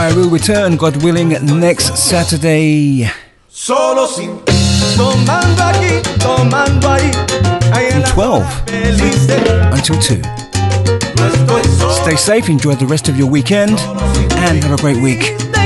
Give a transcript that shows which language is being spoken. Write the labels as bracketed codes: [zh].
[en] Return, God willing, next Saturday. [es] Solo sin ti. Tomando aquí, tomando ahí. [en] From 12 until 2. Stay safe, enjoy the rest of your weekend, and have a great week.